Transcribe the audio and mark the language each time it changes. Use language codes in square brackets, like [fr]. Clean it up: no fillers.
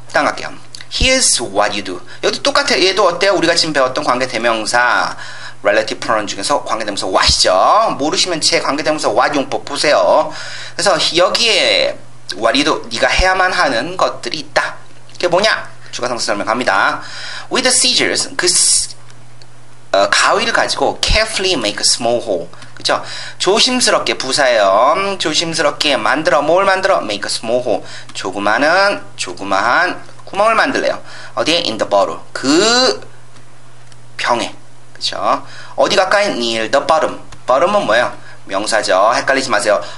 [ko] 다음 갈게요. [en] Here's what you do. [ko] 여기도 똑같아요. 얘도 어때요? 우리가 지금 배웠던 관계 대명사. relative pronoun 중에서 관계대명사 what이죠. 모르시면 제 관계대명사 what 용법 보세요. 그래서 여기에 [en] what you do, [ko] 네가 해야만 하는 것들이 있다. 그게 뭐냐? 주가상수 설명합니다. [en] With the scissors, [ko] 그 가위를 가지고 [en] carefully make a small hole. [ko] 그죠? 조심스럽게, 부사예요. 조심스럽게 만들어, 뭘 만들어? [en] make a small hole. [ko] 조그마한, 조그마한 구멍을 만들래요. 어디에? [en] in the bottle. [ko] 그 병에. 그쵸? 어디 가까이? [en] near the bottom. [ko] bottom은 뭐예요? 명사죠. 헷갈리지 마세요.